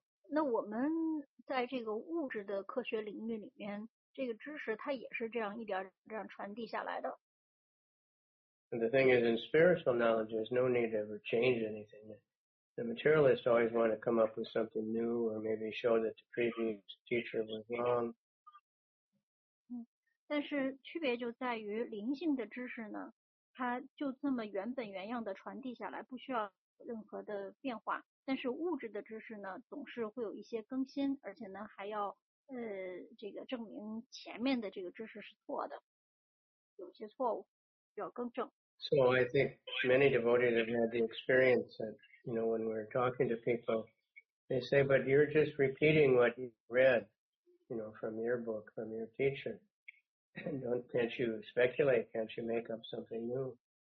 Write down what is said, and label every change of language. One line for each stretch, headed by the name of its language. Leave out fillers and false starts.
Chinese: 那我们在这个物质的科学领域里面，这个知识它也是这样一点这样传递下来的。
English: And the thing is, in spiritual knowledge, there's no need to ever change anything. The materialist always want to come up with something new or maybe show that the previous teacher was wrong.
Chinese: 但是区别就在于灵性的知识呢，它就这么原本原样的传递下来，不需要任何的变化。但是物质的知识呢，总是会有一些更新，而且呢还要这个证明前面的这个知识是错的，有些错误需要更正。
English: So I think many devotees have had the experience that, you know, when we're talking to people, they say, but you're just repeating what you read, you know, from your book, from your teacher. Can't you speculate? Can't you make up something new?